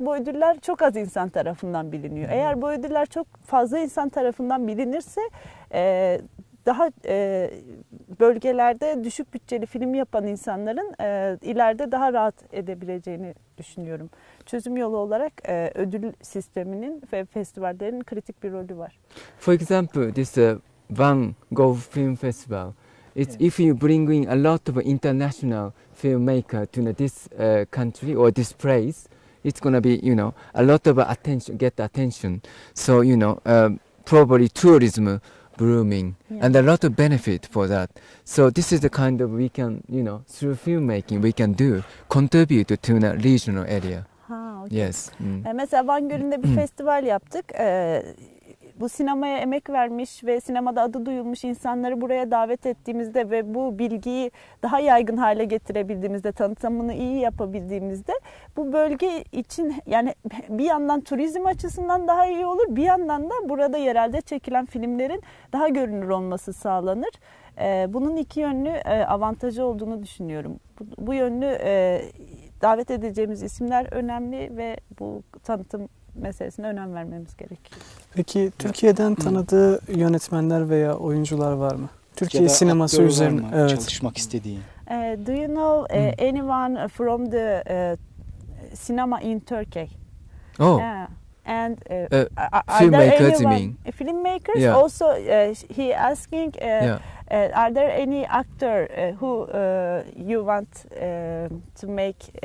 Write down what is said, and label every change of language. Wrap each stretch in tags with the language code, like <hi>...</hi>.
<tr>Bu ödüller çok az insan tarafından biliniyor. Eğer bu ödüller çok fazla insan tarafından bilinirse daha bölgelerde düşük bütçeli film yapan insanların ileride daha rahat edebileceğini düşünüyorum. Çözüm yolu olarak ödül sisteminin ve festivallerin kritik bir rolü var.</tr> <en>For example, this Van Gogh Film Festival. It's if you bring in a lot of international filmmaker to this country or this place, it's gonna be, you know, a lot of attention, get attention. So, you know, probably tourism blooming and a lot of benefit for that. So this is the kind of we can, you know, through filmmaking we can do, contribute to a regional area. Yes.</en> <tr>Mesela Van Gölü'nde bir festival yaptık. Bu sinemaya emek vermiş ve sinemada adı duyulmuş insanları buraya davet ettiğimizde ve bu bilgiyi daha yaygın hale getirebildiğimizde, tanıtımını iyi yapabildiğimizde bu bölge için yani bir yandan turizm açısından daha iyi olur, bir yandan da burada yerelde çekilen filmlerin daha görünür olması sağlanır. Bunun iki yönlü avantajı olduğunu düşünüyorum. Bu yönlü davet edeceğimiz isimler önemli ve bu tanıtım meselesine önem vermemiz gerekiyor. Peki Türkiye'den tanıdığı yönetmenler veya oyuncular var mı? Türkiye sineması üzerine evet. çalışmak istediği.</tr> <en>Do you know anyone from the cinema in Turkey? Oh. And filmmakers, you mean? Filmmakers yeah. also he asking are there any actor who you want to make</en>